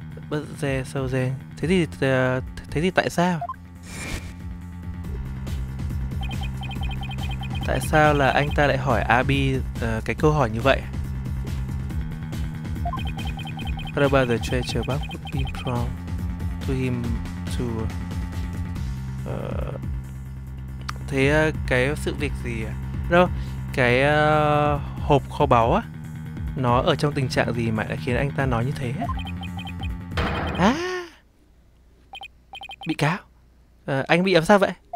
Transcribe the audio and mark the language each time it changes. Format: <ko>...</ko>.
<vi>Bất dè sâu dè. Thế thì tại sao? Tại sao là anh ta lại hỏi Abby cái câu hỏi như vậy?</vi> <en>What about the treasure box would be prompt to him to...</en> <vi>Thế cái sự việc gì à? Đâu, cái hộp kho báu á, nó ở trong tình trạng gì mà đã khiến anh ta nói như thế á? À, bị cáo, anh bị làm sao vậy?</vi>